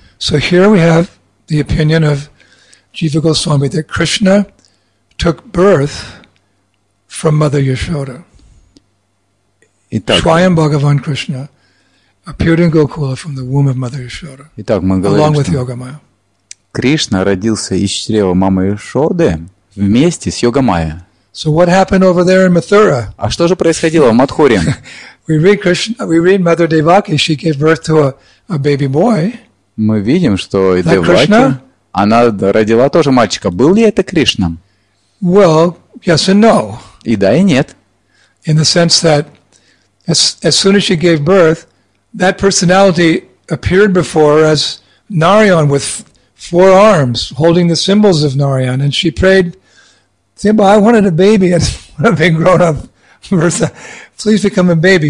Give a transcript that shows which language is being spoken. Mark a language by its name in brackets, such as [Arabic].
[English] So here we have the opinion of Jiva Goswami that Krishna took birth from Mother Yashoda. [Russian] Итак, [English] Swayam Bhagavan Krishna appeared in Gokula from the womb of Mother Yashoda. [Russian] Итак, мы говорим, [English] along with Yogamaya. [Russian] Кришна родился из чрева мамы Яшоды вместе с Йогамая. [English] So what happened over there in Mathura? [Russian] А что же происходило в Матхуре? [English] We read Krishna, we read Mother Devaki, she gave birth to a baby boy. [Russian] Мы видим, что и Девака, она родила тоже мальчика. Был ли это Кришна? [English] Well, yes and no. [Russian] И да, и нет. [English] In the sense that as soon as she gave birth, that personality appeared before her as Narayan with four arms, holding the symbols of Narayan, and she prayed, Simba, I wanted a baby as a big grown-up Martha. Please become a baby.